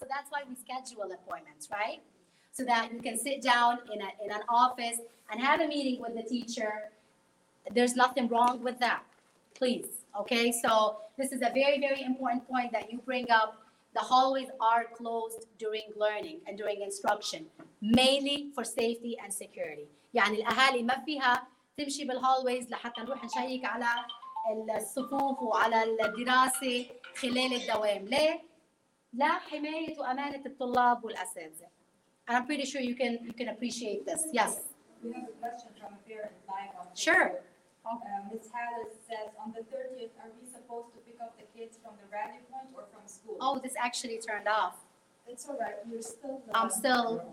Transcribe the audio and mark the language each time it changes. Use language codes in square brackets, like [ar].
[en] So that's why we schedule appointments, right? So that you can sit down in an office and have a meeting with the teacher. There's nothing wrong with that, please. Okay, so this is a very, very important point that you bring up. The hallways are closed during learning and during instruction, mainly for safety and security. [ar] يعني الأهالي ما فيها تمشي بالهالويز لحتى نروح نشيك على الصفوف وعلى الدراسة خلال الدوام. ليه؟ لا حماية وأمانة الطلاب والأساتذة. [en] And I'm pretty sure you can appreciate this. Yes. We have a question from a parent live on the Sure. Ms. Hallis says, on the 30th, are we supposed to pick up the kids from the rally point or from school? Oh, this actually turned off. It's all right. You're still I'm still.